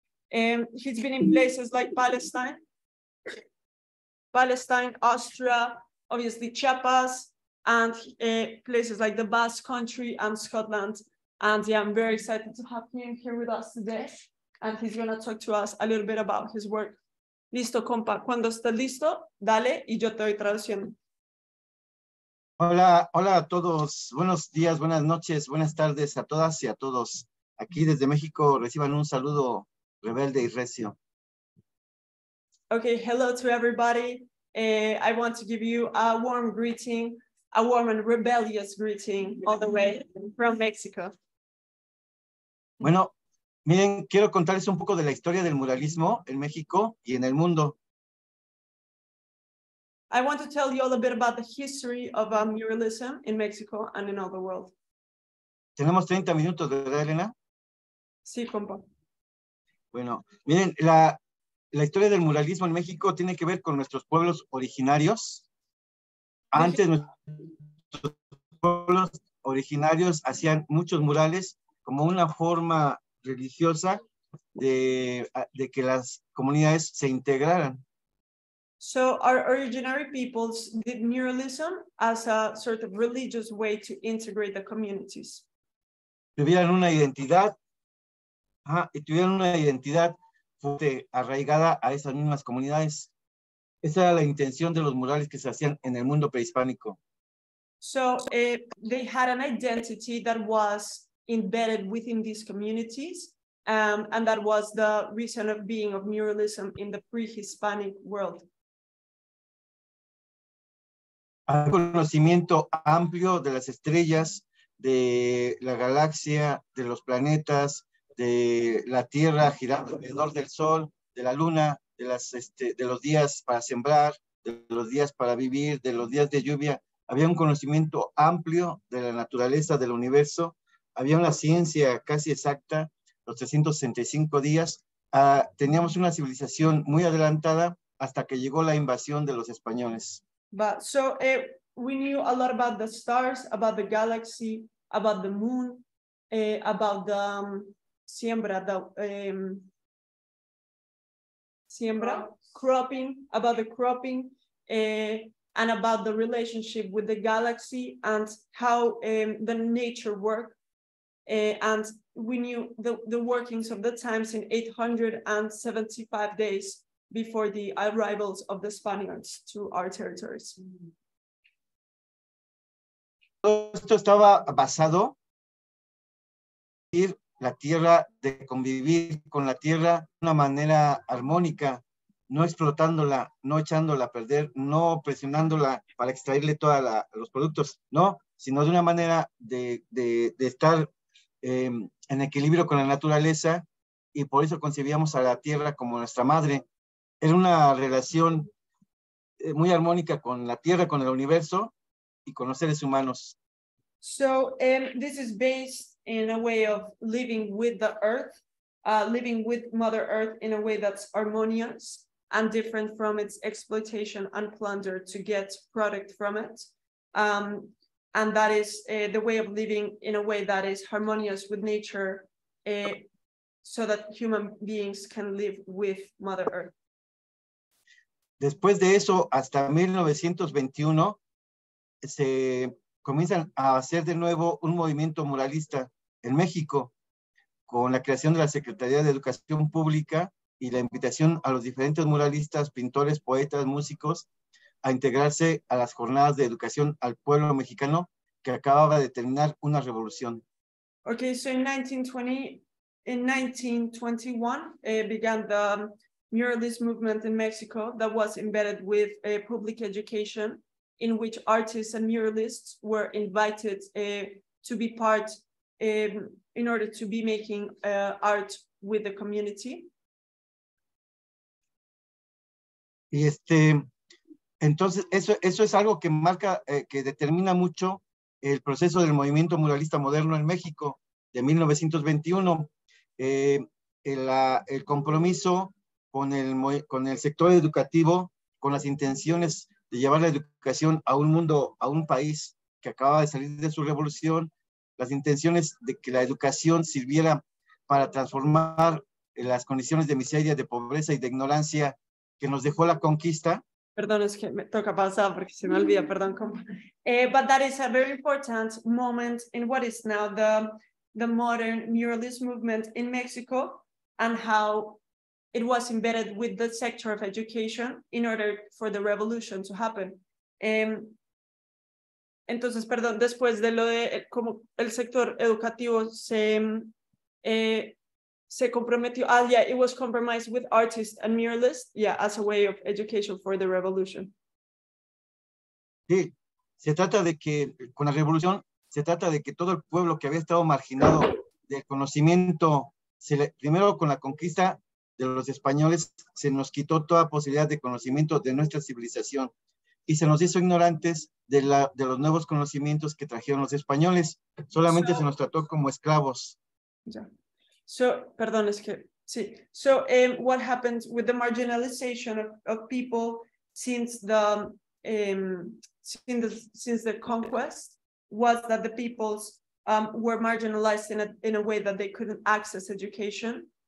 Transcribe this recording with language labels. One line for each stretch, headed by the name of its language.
English: He's been in places like Palestine, Austria, obviously Chiapas, and places like the Basque Country and Scotland. And yeah, I'm very excited to have him here with us today. And he's gonna talk to us a little bit about his work.
Spanish: Listo, compa, cuando esté listo, dale y yo te doy traducción. Hola, hola a todos. Buenos días, buenas noches, buenas tardes a todas y a todos. Aquí desde México reciban un saludo rebelde y recio.
English: Okay, hello to everybody. I want to give you a warm greeting, a warm and rebellious greeting all the way from Mexico.
Spanish: Bueno, miren, quiero contarles un poco de la historia del muralismo en México y en el mundo.
English: I want to tell you all a bit about the history of muralism in Mexico and in all the world.
Spanish: Tenemos 30 minutos, ¿verdad, Elena? Sí, compa. Bueno, miren, la historia del muralismo en México tiene que ver con nuestros pueblos originarios. Antes, nuestros pueblos originarios hacían muchos murales como una forma religiosa de que las comunidades se integraran.
English: So our originary peoples did muralism as a sort of religious way to integrate the communities.
Spanish: Tuvieron una identidad, y tuvieron una identidad fuerte arraigada a esas mismas comunidades. Esa era la intención de los murales que se hacían en el mundo prehispánico.
English: So they had an identity that was embedded within these communities, and that was the reason of being of muralism in the pre-Hispanic world.
Spanish: Un conocimiento amplio de las estrellas, de la galaxia, de los planetas, de la Tierra girando alrededor del Sol, de la Luna, de las de los días para sembrar, de los días para vivir, de los días de lluvia. Había un conocimiento amplio de la naturaleza del universo. Había una ciencia casi exacta, los 365 días. Teníamos una civilización muy adelantada hasta que llegó la invasión de los españoles.
English: But so we knew a lot about the stars, about the galaxy, about the moon, about the siembra, cropping, about the cropping, and about the relationship with the galaxy and how the nature work. And we knew the workings of the times in 875 days. Before the arrivals of the Spaniards to our territories.
Spanish: todo esto estaba basado en la tierra, de convivir con la tierra de una manera armónica, no explotándola, no echándola a perder, no presionándola para extraerle todos los productos, ¿no? Sino de una manera de estar en equilibrio con la naturaleza, y por eso concebíamos a la tierra como nuestra madre. Era una relación muy armónica con la tierra, con el universo y con los seres humanos.
English: So this is based in a way of living with the earth, living with Mother Earth in a way that's harmonious and different from its exploitation and plunder to get product from it. And that is the way of living in a way that is harmonious with nature, so that human beings can live with Mother Earth.
Spanish: Después de eso, hasta 1921, se comienzan a hacer de nuevo un movimiento muralista en México, con la creación de la Secretaría de Educación Pública y la invitación a los diferentes muralistas, pintores, poetas, músicos, a integrarse a las jornadas de educación al pueblo mexicano que acababa de terminar una revolución.
English: Okay, so in 1921, began the muralist movement in Mexico that was embedded with a public education, in which artists and muralists were invited to be part in order to be making art with the community.
Spanish: Y entonces eso es algo que marca, que determina mucho el proceso del movimiento muralista moderno en México de 1921, el compromiso con el sector educativo, con las intenciones de llevar la educación a un mundo, a un país que acaba de salir de su revolución, las intenciones de que la educación sirviera para transformar las condiciones de miseria, de pobreza y de ignorancia que nos dejó la conquista. Perdón, es que me toca pasar porque se me olvida, perdón.
English: But that is a very important moment in what is now the modern muralist movement in Mexico, and how it was embedded with the sector of education in order for the revolution to happen.
Spanish: Entonces, perdón, después de lo de cómo el sector educativo se comprometió.
English: Ah, yeah, it was compromised with artists and muralists, yeah, as a way of education for the revolution.
Spanish: Sí, se trata de que con la revolución, se trata de que todo el pueblo que había estado marginado del conocimiento, primero con la conquista de los españoles, se nos quitó toda posibilidad de conocimiento de nuestra civilización y se nos hizo ignorantes de los nuevos conocimientos que trajeron los españoles. Solamente se nos trató como esclavos.
English: So, what happened with the marginalization of people since the conquest was that the peoples were marginalized in a way that they couldn't access education.